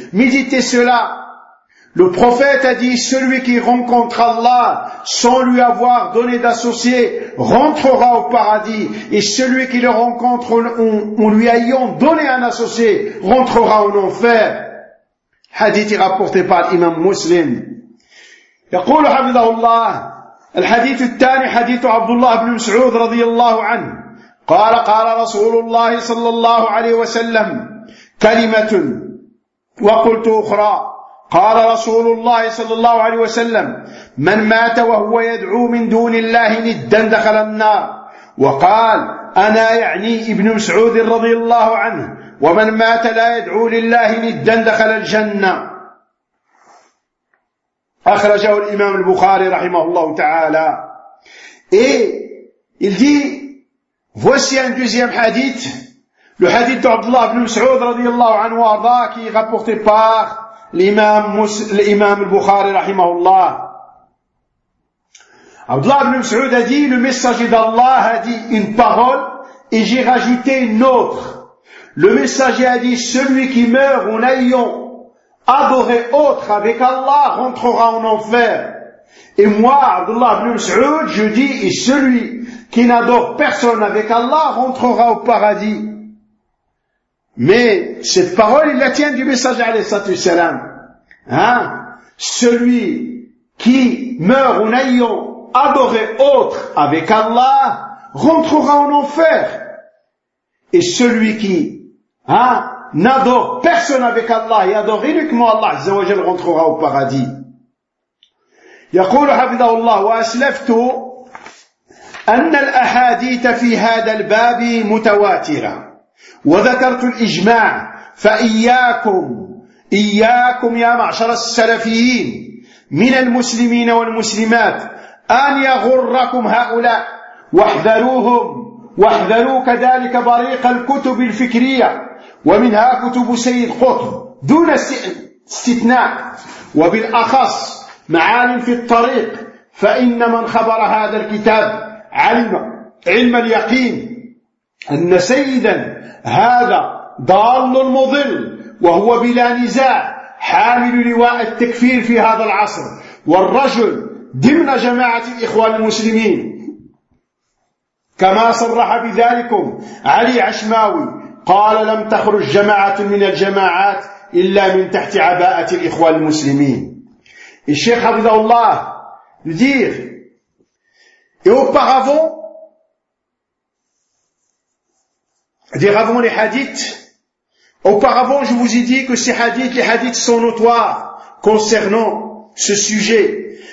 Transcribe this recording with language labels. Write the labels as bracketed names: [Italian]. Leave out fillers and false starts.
[French] Méditez cela. Le prophète a dit, celui qui rencontre Allah sans lui avoir donné d'associé rentrera au paradis, et celui qui le rencontre en lui ayant donné un associé rentrera en enfer. Hadith est rapporté par l'imam Muslim. [Arabic] يقول حفظه الله الحديث الثاني حديث عبد الله بن مسعود رضي الله عنه قال قال رسول الله صلى الله عليه وسلم كلمة وقلت أخرى. قال رسول الله صلى الله عليه وسلم من مات وهو يدعو من دون الله ندا دخل النار. وقال أنا يعني ابن مسعود رضي الله عنه ومن مات لا يدعو لله ندا دخل الجنة أخرجه الإمام البخاري رحمه الله تعالى. [French] إيه il dit voici un deuxième hadith, le hadith d'Abd Allah ibn Mas'ud [Arabic] رضي الله عنه وارضاه [French] qui est rapporté par l'imam al-Bukhari rahimahullah. Abdullah ibn Mas'ud a dit, le messager d'Allah a dit une parole et j'ai rajouté une autre. Le messager a dit, celui qui meurt en ayant adoré autre avec Allah rentrera en enfer. Et moi, Abdullah ibn Mas'ud, je dis, et celui qui n'adore personne avec Allah rentrera au paradis. Mais cette parole, il la tient du messager alayhi salatu wassalam. Hein? Celui qui meurt en ayant adoré autre avec Allah rentrera en enfer. Et celui qui n'adore personne avec Allah et adore uniquement Allah azza wa jalla rentrera au paradis. [Arabic] يقول حفظه الله وأسلفت أن الأحاديث في هذا الباب متواترة وذكرت الإجماع فإياكم يا معشر السلفيين من المسلمين والمسلمات أن يغركم هؤلاء واحذروهم واحذروا كذلك بريق الكتب الفكرية ومنها كتب سيد قطب دون استثناء وبالأخص معالم في الطريق فإن من خبر هذا الكتاب علم اليقين أن سيدا هذا ضال مضل وهو بلا نزاع حامل لواء التكفير في هذا العصر والرجل ضمن جماعة الإخوان المسلمين كما صرح بذلكم علي عشماوي قال لم تخرج جماعة من الجماعات إلا من تحت عباءة الإخوان المسلمين. الشيخ حفظه الله يدير يوبغافو [French] dire avant les hadiths, auparavant je vous ai dit que ces hadiths, les hadiths sont notoires concernant ce sujet.